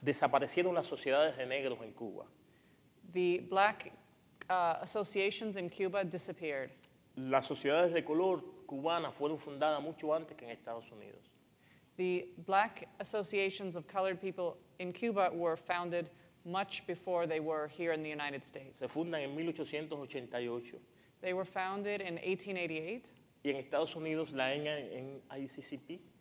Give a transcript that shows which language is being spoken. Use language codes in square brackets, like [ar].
[es] Desaparecieron las sociedades de negros en Cuba. [en] The black associations in Cuba disappeared. [es] Las sociedades de color cubanas fueron fundadas mucho antes que en Estados Unidos. [en] The black associations of colored people in Cuba were founded much before they were here in the United States. [es] Se fundan en 1888. [en] They were founded in 1888. [es] Y en Estados Unidos la ENA en ICCP.